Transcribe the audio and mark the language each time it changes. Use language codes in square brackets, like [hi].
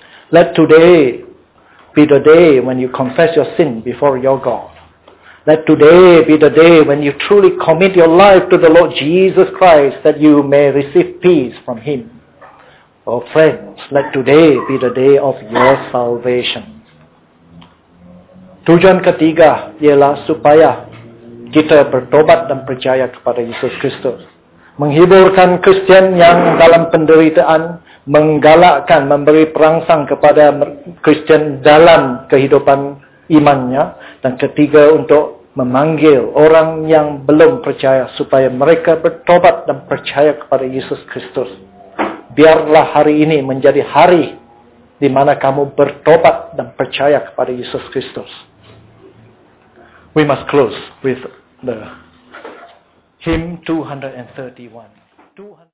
[en] Let today be the day when you confess your sin before your God. Let today be the day when you truly commit your life to the Lord Jesus Christ, that you may receive peace from Him. Oh friends, let today be the day of your salvation. [ms] Tujuan ketiga ialah supaya kita bertobat dan percaya kepada Yesus Kristus. Menghiburkan Kristian yang dalam penderitaan, menggalakkan, memberi perangsang kepada Kristian dalam kehidupan imannya. Dan ketiga, untuk memanggil orang yang belum percaya supaya mereka bertobat dan percaya kepada Yesus Kristus. Biarlah hari ini menjadi hari di mana kamu bertobat dan percaya kepada Yesus Kristus. [en] We must close with the hymn 231.